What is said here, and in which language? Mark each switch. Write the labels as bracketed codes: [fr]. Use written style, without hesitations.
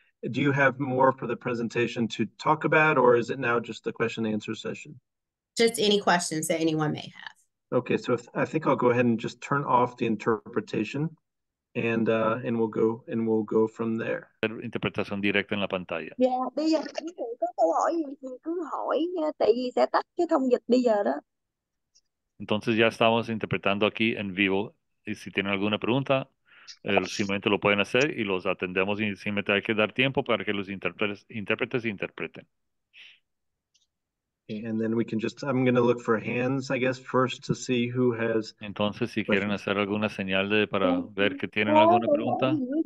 [en] Do you have more for the presentation to talk about, or is it now just the question and answer session? Just any questions that anyone may have. Okay, so I think I'll go ahead and just turn off the interpretation and we'll go from there. [es] Interpretación directa en la pantalla. [vi] Yeah, bây giờ quý vị có câu hỏi gì thì cứ hỏi nha, tại vì sẽ tắt cái thông dịch bây giờ đó. [es] Entonces ya estamos interpretando aquí en vivo y si tienen alguna pregunta, simplemente lo pueden hacer y los atendemos y simplemente hay que dar tiempo para que los intérpretes interpreten. [en] And then we can just, I'm going to look for hands, I guess, first to see who has. [es] Entonces, si quieren hacer alguna señal de para ver que tienen alguna pregunta.